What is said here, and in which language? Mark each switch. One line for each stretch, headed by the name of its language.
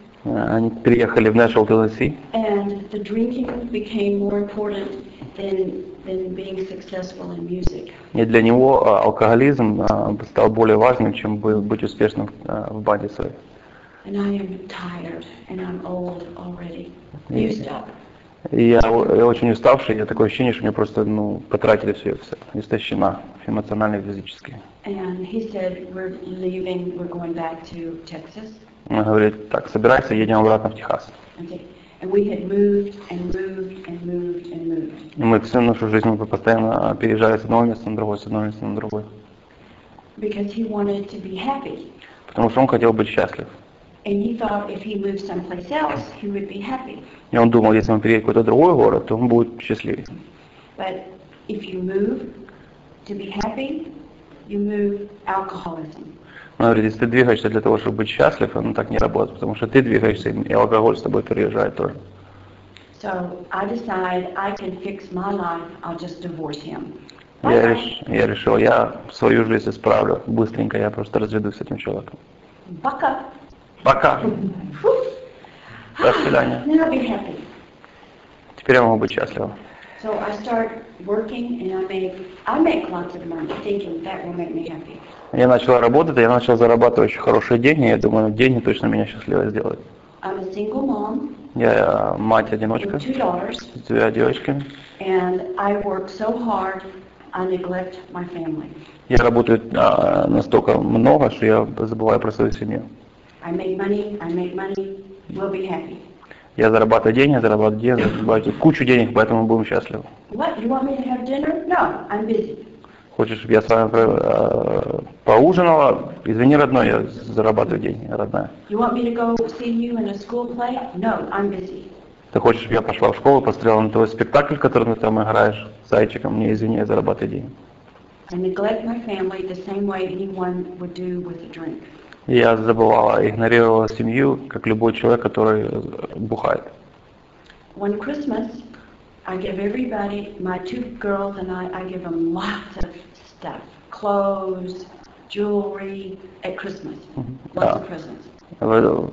Russian: Они переехали в Нэшвилл, Теннесси.
English: And the drinking became more important than being successful in music.
Russian: И для него алкоголизм стал более важным, чем быть успешным в банде своей.
English: And I am tired, and I'm old already. Used up.
Russian: Я очень уставший, я такое ощущение, что мне просто, ну, потратили все, истощена, эмоционально и физически.
English: And he said, we're leaving, we're going back to Texas.
Russian: Он говорит, так, собирайся, едем обратно в Техас.
English: Okay. And we had moved and moved and moved and moved.
Russian: И мы всю нашу жизнь постоянно переезжали с одного места на другое, с одного места на другое.
English: Because he wanted to be happy.
Russian: Потому что он хотел быть счастлив.
English: And he thought if he moved someplace else, he would be happy.
Russian: И он думал, если он переедет в какой-то другой город, то он будет счастливее.
English: But if you move to be happy, you move alcoholism.
Russian: Он говорит, если ты двигаешься для того, чтобы быть счастлив, оно так не работает, потому что ты двигаешься, и алкоголь с тобой переезжает тоже.
English: So I decide I can fix my life. I'll just divorce him.
Russian: Я решил, я свою жизнь исправлю быстренько. Я просто разведусь с этим человеком. Пока. Пока. До свидания.
English: Then I'll be happy.
Russian: Теперь я могу быть счастлива.
English: So I start working and I make lots of money, thinking that will make me happy.
Russian: Я начала работать, я начала зарабатывать очень хорошие деньги, я думаю, деньги точно меня счастливой сделают.
English: I'm a single mom.
Russian: Я мать одиночка.
English: With two daughters.
Russian: С двумя девочками.
English: And I work so hard, I neglect my family.
Russian: Я работаю настолько много, что я забываю про свою семью.
English: I make money, we'll be happy.
Russian: Я зарабатываю деньги, кучу денег, поэтому будем счастливы.
English: What? You want me to have dinner? No, I'm busy.
Russian: Хочешь, чтобы я с вами поужинала? Извини, родной, я зарабатываю деньги, родная.
English: You want me to go see you in a school play? No, I'm busy.
Russian: Ты хочешь, чтобы я пошла в школу, посмотрела на твой спектакль, который ты там играешь, зайчиком? Мне извини, я зарабатываю деньги.
English: I neglect my family the same way anyone would do with a drink.
Russian: Я забывала, игнорировала семью, как любой человек, который бухает.
English: One Christmas, I give everybody, my two girls and I give them lots of stuff. Clothes, jewelry, at Christmas. Lots of presents.